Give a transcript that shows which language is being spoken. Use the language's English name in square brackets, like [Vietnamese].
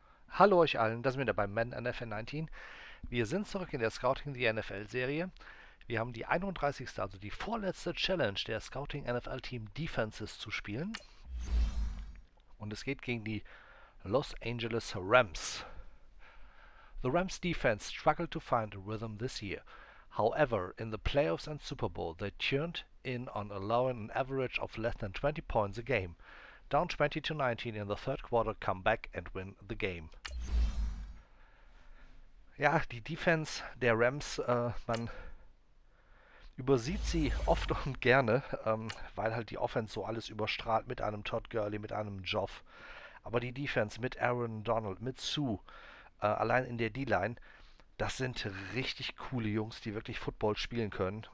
[German] Hallo euch allen, das sind wieder bei Madden NFL 19. Wir sind zurück in der Scouting die NFL-Serie. Wir haben die 31., also die vorletzte Challenge der Scouting NFL Team Defenses zu spielen. Und es geht gegen die Los Angeles Rams. [English] The Rams defense struggled to find a rhythm this year. However, in the playoffs and Super Bowl, they turned in on allowing an average of less than 20 points a game. Down 20 to 19 in the third quarter, come back and win the game. [German] Ja, die Defense der Rams, man übersieht sie oft und gerne, weil halt die Offense so alles überstrahlt mit einem Todd Gurley, mit einem Joff. Aber die Defense mit Aaron Donald, mit Sue, allein in der D-Line, das sind richtig coole Jungs, die wirklich Football spielen können.